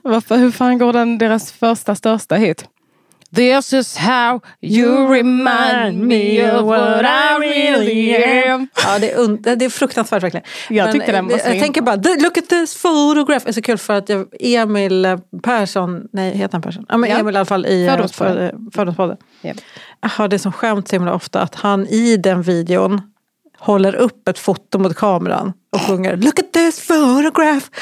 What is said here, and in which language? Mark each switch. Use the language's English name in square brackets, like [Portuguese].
[Swedish] Varför, hur fan går den deras första största hit? [English] This is how you remind me of what I really am. [Swedish] Ja, det är fruktansvärt verkligen. Jag men tyckte den var jag tänker bara, [English] look at this photograph. [Swedish] Det är så kul för att jag, Emil Persson, nej heter han Persson? Ja, men Emil i alla fall i Fördomspodden. Jag har det som skämt så himla ofta att han i den videon håller upp ett foto mot kameran och sjunger, [English] look at this photograph.